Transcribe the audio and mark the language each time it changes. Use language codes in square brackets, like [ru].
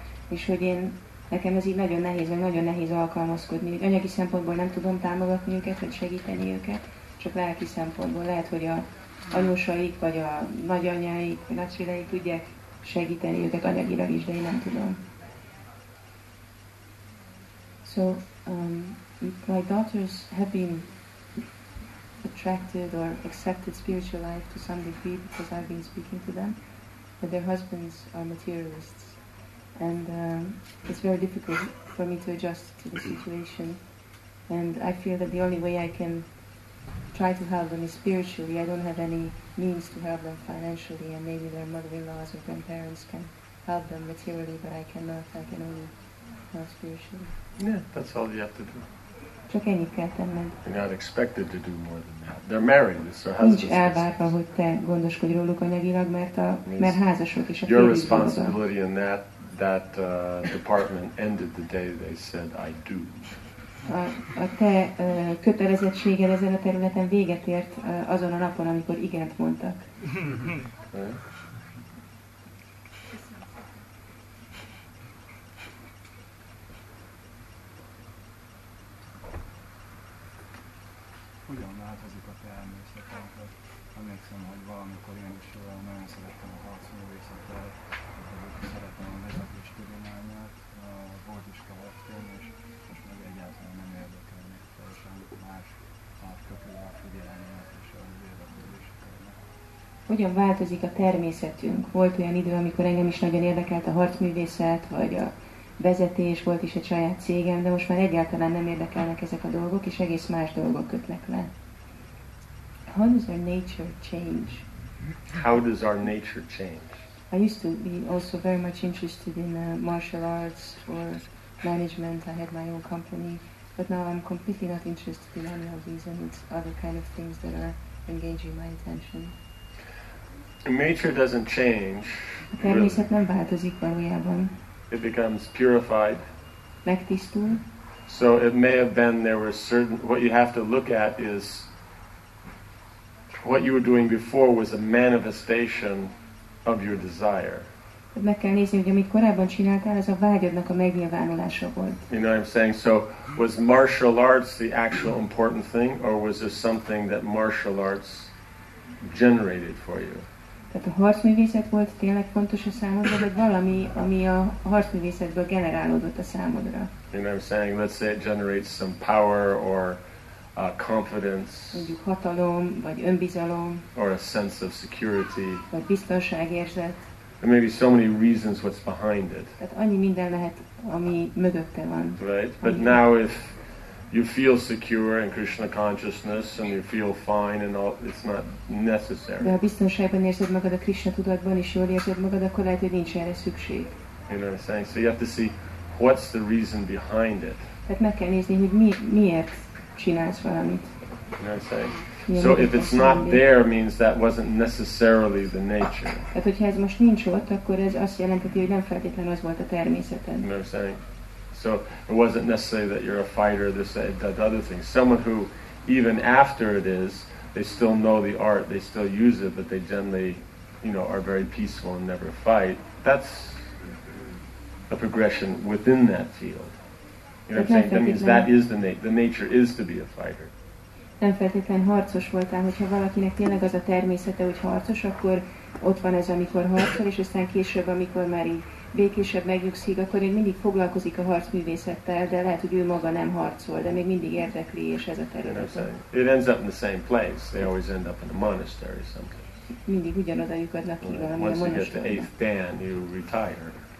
[hu] És hogy én, nekem ez így nagyon nehéz alkalmazkodni, hogy anyagi szempontból nem tudom támogatni őket, vagy segíteni őket, csak lelki szempontból. Lehet, hogy a anyósaik, vagy a nagyanyáik, vagy nagyszüleik tudják segíteni őket anyagilag is, de én nem tudom. [en] So, my daughters have been attracted or accepted spiritual life to some degree because I've been speaking to them, but their husbands are materialists. And it's very difficult for me to adjust to the situation. And I feel that the only way I can try to help them is spiritually. I don't have any means to help them financially, and maybe their mother-in-laws or grandparents can help them materially, but I cannot. I can only help spiritually. Yeah, that's all you have to do. [hu] Csak ennyit kell tenned. [en] They're not expected to do more than that. They're married, so husbands. [hu] Nincs elvárva, hogy te gondoskodj róluk anyagilag, mert házasok is a [en] férjük. Your responsibility in that. That department ended the day they said I do. [hu] A te kötelezettséged ezen a területen véget ért azon a napon, amikor igent mondtak. Hogyan változik a te emlékszetünket? Emlékszem, hogy valamikor én is nagyon szerettem a harcművészetet, szeretem a meglepés tudományát, volt is kavaktól, és most meg egyáltalán nem érdekel még teljesen más átkapja a figyelmet és az érdeklődéseket. Hogyan változik a természetünk? Volt olyan idő, amikor engem is nagyon érdekelt a harcművészet, vagy a vezetés, volt is egy saját cégem, de most már egyáltalán nem érdekelnek ezek a dolgok, és egész más dolgok kötnek le. [en] How does our nature change? How does our nature change? I used to be also very much interested in martial arts or management. I had my own company, but now I'm completely not interested in any of these, and it's other kind of things that are engaging my attention. Nature doesn't change. [hu] A természet nem változik valójában. [en] It becomes purified. [hu] Megtisztul. [en] So it may have been there were certain, what you have to look at is what you were doing before was a manifestation of your desire. [hu] Meg kell nézni, hogy amit korábban csináltál, ez a vágyadnak a megnyilvánulása volt. [en] You know what I'm saying? So was martial arts the actual important thing, or was there something that martial arts generated for you? [hu] Tehát a harcművészet volt tényleg fontos a számodra, vagy valami, ami a harcművészetből generálódott a számodra? [en] You know what I'm saying? Let's say it generates some power or confidence, [hu] mondjuk hatalom, vagy önbizalom, [en] or a sense of security, [hu] vagy biztonságérzet. [en] There may be so many reasons what's behind it. [hu] Tehát annyi minden lehet, ami mögötte van. [en] Right, but now if you feel secure in Krishna consciousness and you feel fine and all, it's not necessary. [hu] De ha biztonságban érzed magad a Krishna tudatban és jól érzed magad, akkor lehet, hogy nincs erre szükség. [en] You know what I'm saying? So you have to see what's the reason behind it. [hu] Tehát meg kell nézni, hogy miért csinálsz valamit. [en] You know what I'm saying? So if it's not there, means that wasn't necessarily the nature. [hu] Tehát hogyha ez most nincs ott, akkor ez azt jelenti, hogy nem feltétlenül az volt a természeted. [en] You know what I'm saying? So it wasn't necessarily that you're a fighter, this, that other thing. Someone who, even after it is, they still know the art, they still use it, but they generally, you know, are very peaceful and never fight. That's a progression within that field. You know what I'm saying? That means that is the nature is to be a fighter. [hu] Nem feltétlenül harcos voltál, hogyha valakinek tényleg az a természete, hogy harcos, akkor ott van ez, amikor harcol, és aztán később, amikor már így békésebb megnyugszik, akkor én mindig foglalkozik a harcművészettel, de lehet, hogy ő maga nem harcol, de még mindig érdekli, és ez a terület. [en] You know, it ends up in the same place. They always end up in a monastery someplace. [hu] Mindig ugyanoda lyukadnak ki valami [en] once a monastery. Once you get the eighth dan, you retire.